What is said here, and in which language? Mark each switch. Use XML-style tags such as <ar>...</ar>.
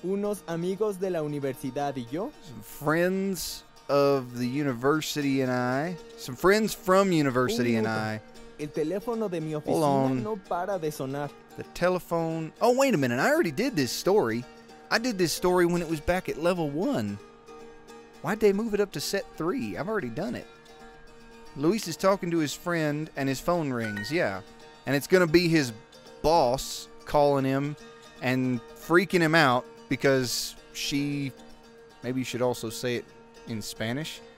<es>unos amigos de la universidad y yo,</es> <en>some friends of the university and I, some friends from university and I,</en> <es>el teléfono de mi oficina no para de sonar.</es> <en>The telephone. Oh, wait a minute. I already did this story. I did this story when it was back at level 1. Why'd they move it up to set 3? I've already done it. Luis is talking to his friend and his phone rings. Yeah. And it's going to be his boss calling him and freaking him out because she, maybe you should also say it in Spanish.</en>